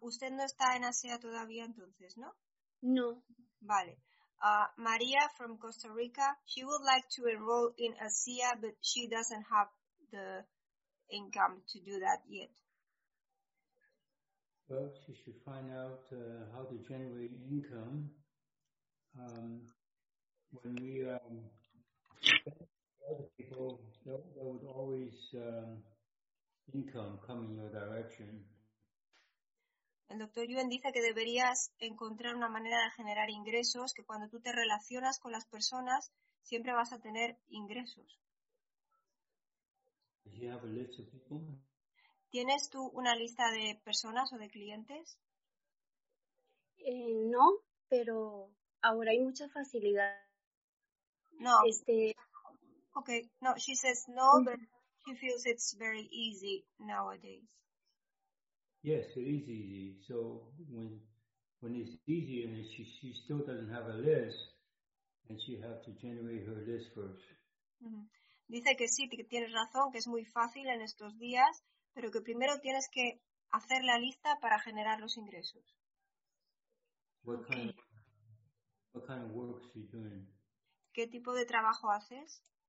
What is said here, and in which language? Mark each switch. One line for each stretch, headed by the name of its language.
Spanish: ¿Usted no está en ASEA todavía entonces, no? No. Vale.
English: María from Costa Rica, she would like to enroll in ASEA, but she doesn't have the income to do that yet. Well, she should find out how to generate income. When we other people, there would always income come in your direction.
Spanish: El doctor Yuen dice que deberías encontrar una manera de generar ingresos, que cuando tú te relacionas con las personas, siempre vas a tener ingresos.
English: You have a list of people?
Spanish: ¿Tienes tú una lista de personas o de clientes? No, pero ahora hay mucha facilidad.
English: No. Okay. No, she says no, but she feels it's very easy nowadays. Yes, it is easy. So when it's easy and she still doesn't have a list, then she has to generate her list first. Mm-hmm.
Spanish: Dice que sí, que tienes razón, que es muy fácil en estos días, pero que primero tienes que hacer la lista para generar los ingresos.
English: What kind of work are you doing?
Spanish: ¿Qué tipo de trabajo haces?